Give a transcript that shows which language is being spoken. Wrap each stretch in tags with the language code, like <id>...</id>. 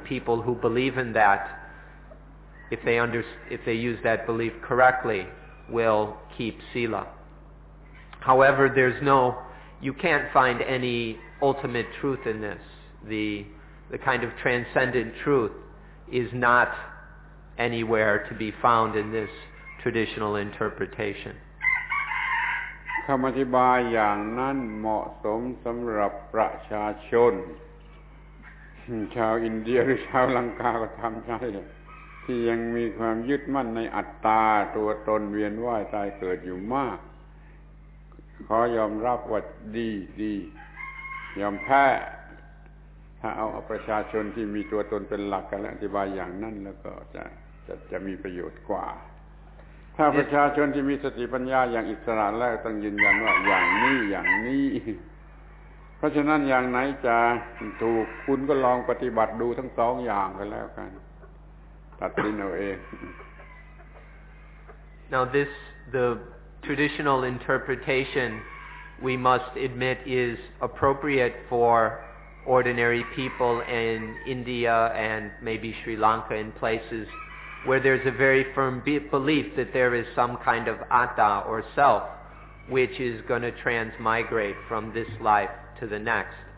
<en>People who believe in that, if they use that belief correctly, will keep sila. However, you can't find any ultimate truth in this. The kind of transcendent truth is not anywhere to be found in this traditional interpretation.</en> <th>คำอธิบายอย่างนั้นเหมาะสมสำหรับประชาชนชาวอินเดียหรือชาวลังกาก็ทำได้ที่ยังมีความยึดมั่นในอัตตาตัวตนเวียนว่ายตายเกิดอยู่มาก ขอยอมรับว่าดีดียอมแพ้ถ้าเอาประชาชนที่มีตัวตนเป็นหลักกันอธิบายอย่างนั้นแล้วก็จะมีประโยชน์กว่าถ้าประชาชนที่มีสติปัญญาอย่างอิสระแล้วต้องยืนยันว่าอย่างนี้อย่างนี้เพราะฉะนั้นอย่างไหนจะถูกคุณก็ลองปฏิบัติดูทั้งสองอย่างกันแล้วกันตัดสินเอาเอง</th> <en>Now this the traditional interpretation we must admit is appropriate for ordinary people in India and maybe Sri Lanka in placesWhere there's a very firm belief that there is some kind of atta or self, which is going to transmigrate from this life to the next.</en>